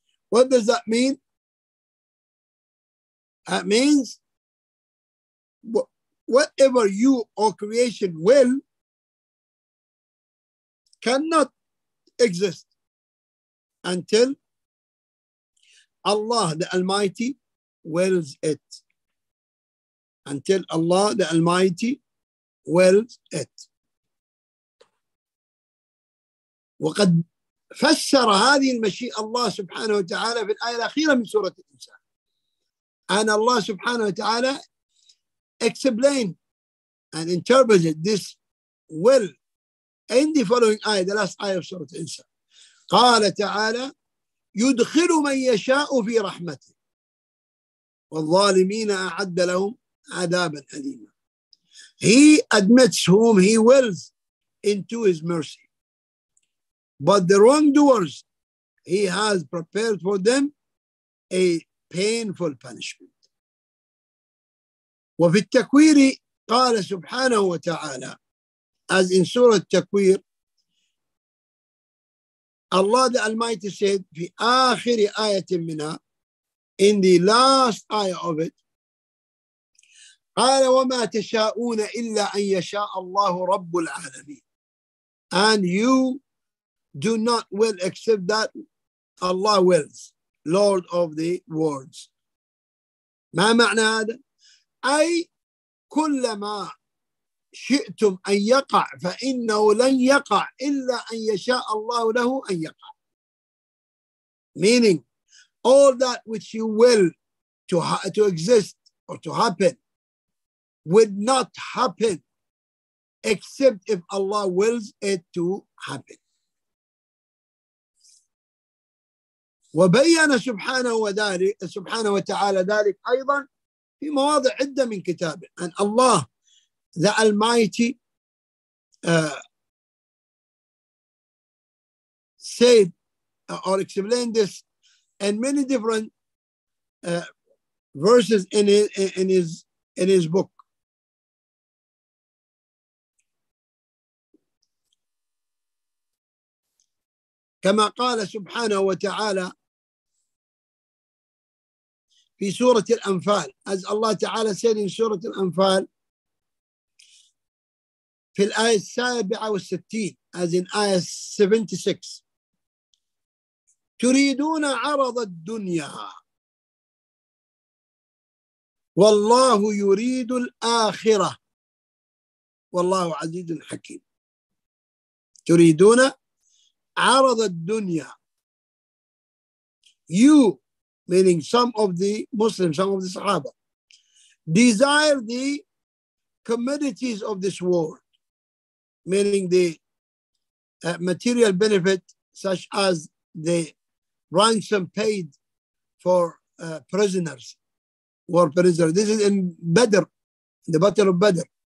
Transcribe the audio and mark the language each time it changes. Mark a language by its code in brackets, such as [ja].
[en] What does that mean? That means whatever you or creation will cannot exist until Allah the Almighty wills it. Until Allah the Almighty wills it. [ar] وقد فسر هذه المشيئة الله سبحانه وتعالى في الآية الأخيرة من سورة الإنسان. [en] And Allah [ar] سبحانه وتعالى [en] explained and interpreted this will in the following ayah, the last ayah of Surah Al-Insan. [ar] قال تعالى يدخل من يشاء في رحمته والظالمين أعد لهم عذابا أليما. [en] He admits whom he wills into his mercy, but the wrongdoers he has prepared for them a painful punishment. [ar] وفي التكوير قال سبحانه وتعالى, [en] as in Surah Al-Takwir, Allah the Almighty said [ar] في آخر آية منها, [en] in the last ayah of it, [ar] قال وما تشاءون إلا أن يشاء الله رب العالمين. [en] And you do not will except that Allah wills, Lord of the worlds. [ar] ما معنى هذا؟ أي كلما شئتم أن يقع فإنه لن يقع إلا أن يشاء الله له أن يقع. [en] Meaning, all that which you will to exist or to happen would not happen except if Allah wills it to happen. [ar] وبيّن سبحانه وتعالى ذلك أيضا في مواضع عدة من كتابه. أن الله [en] the Almighty said or explained this in many different verses in his book. [ar] كما قال سبحانه وتعالى في سورة الأنفال, [en] as Allah تعالى said in [ar] سورة الأنفال في الآية 67, [en] as in آية 76, [ar] تريدون عرض الدنيا والله يريد الآخرة والله عزيز حكيم. تريدون عرض الدنيا, [en] you meaning some of the Muslims, some of the Sahaba, desire the commodities of this world, meaning the material benefit such as the ransom paid for prisoners, war prisoners. This is in Badr, the Battle of Badr.